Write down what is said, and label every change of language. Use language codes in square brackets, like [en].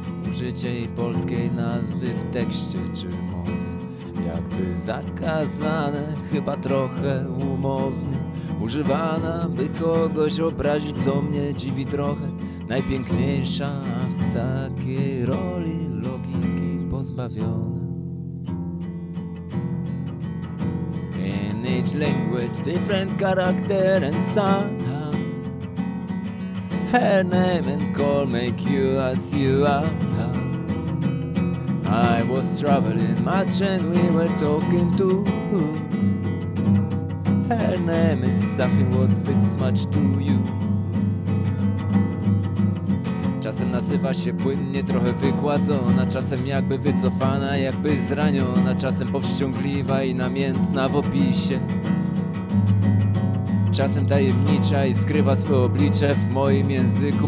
[pl] Użycie jej polskiej nazwy w tekście czy mowie, jakby zakazane, chyba trochę umownie. Używana, by kogoś obrazić, co mnie dziwi trochę. Najpiękniejsza w takiej roli, logiki pozbawiona. [en] In each language, different character and sound. Her name and call make you as you are. I was traveling much and we were talking too. Her name is something what fits much to you. [pl] Czasem nazywa się płynnie, trochę wygładzona, czasem jakby wycofana, jakby zraniona, czasem powściągliwa i namiętna w opisie. Czasem tajemnicza i skrywa swoje oblicze w moim języku.